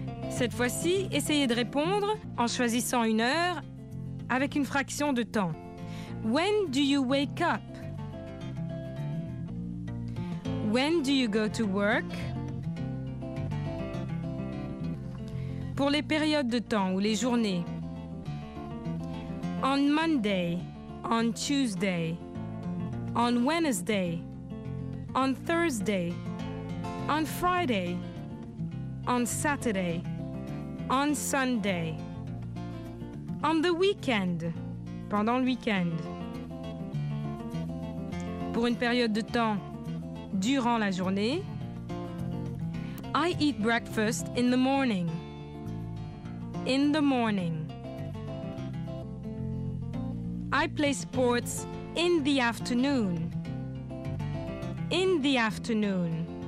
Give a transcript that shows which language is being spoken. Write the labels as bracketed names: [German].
[French] Cette fois-ci, essayez de répondre en choisissant une heure avec une fraction de temps. [English] When do you wake up? When do you go to work? [French] Pour les périodes de temps ou les journées. [English] On Monday, on Tuesday, on Wednesday, on Thursday, on Friday, on Saturday. On Sunday. On the weekend. [French] Pendant le week-end. Pour une période de temps, durant la journée. [English] I eat breakfast in the morning. In the morning. I play sports in the afternoon. In the afternoon.